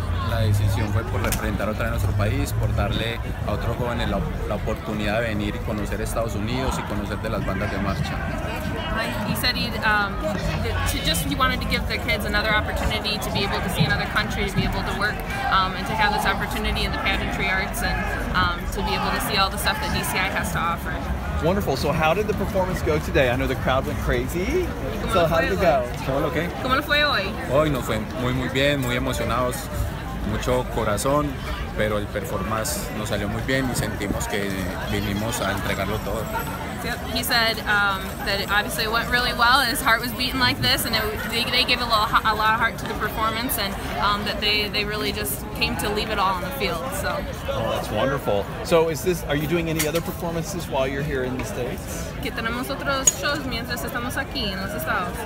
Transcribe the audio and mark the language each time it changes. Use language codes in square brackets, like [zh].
[es] La decisión fue por representar otra vez nuestro país, por darle a otros jóvenes la oportunidad de venir y conocer Estados Unidos y conocer de las bandas de marcha. [en] He said he wanted to give the kids another opportunity to be able to see another country, to be able to work, and to have this opportunity in the pageantry arts, and to be able to see all the stuff that DCI has to offer. Wonderful. So how did the performance go today? I know the crowd went crazy. So how did it go? [es] ¿Cómo lo qué? ¿Cómo lo fue hoy? Hoy nos fue muy muy bien, muy emocionados. Mucho corazón, pero el performance nos salió muy bien y sentimos que vinimos a entregarlo todo. [en] Yep. He said that obviously it went really well. His heart was beating like this, and they gave a lot of heart to the performance, and that they really just came to leave it all on the field. So. Oh, that's wonderful. So, are you doing any other performances while you're here in the States? [es] Que tenemos otros shows mientras estamos aquí en los Estados.